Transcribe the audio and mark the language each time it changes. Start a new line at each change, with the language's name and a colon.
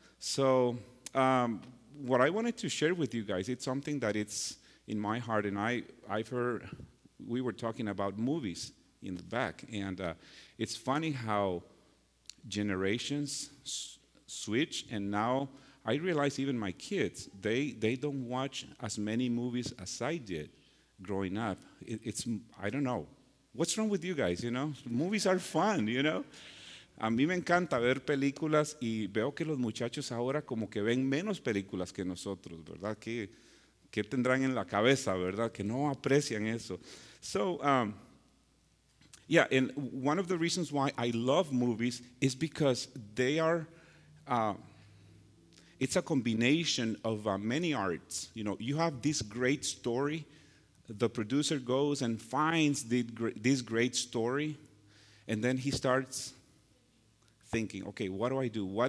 English: So what I wanted to share with you guys, it's something that it's in my heart, and I've heard, we were talking about movies in the back, and it's funny how generations switch, and now I realize even my kids, they don't watch as many movies as I did growing up. It's, I don't know, what's wrong with you guys, you know? Movies are fun, you know?
Spanish: A mí me encanta ver películas y veo que los muchachos ahora como que ven menos películas que nosotros, ¿verdad? ¿Qué tendrán en la cabeza, verdad? Que no aprecian eso.
English: So, and one of the reasons why I love movies is because they are, it's a combination of many arts. You know, you have this great story. The producer goes and finds this great story, and then he starts thinking, okay, what do I do?